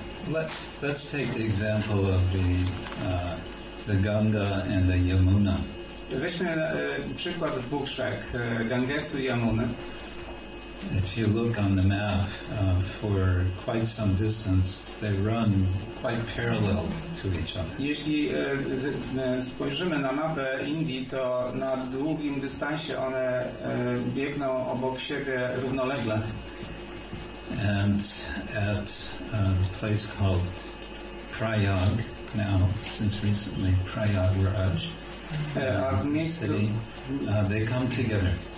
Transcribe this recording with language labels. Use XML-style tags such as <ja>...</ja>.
<en>Let's take the example of the Ganga and the Yamuna.</en> <pl>Weźmy przykład dwóch rzek, Gangesu i Yamuny.</pl> <en>If you look on the map, for quite some distance, they run quite parallel to each other.</en> <pl>Jeśli spojrzymy na mapę Indii, to na długim dystansie one biegną obok siebie równolegle.</pl> <en>And at a place called Prayag, now, since recently, Prayag Raj, they come together.</en>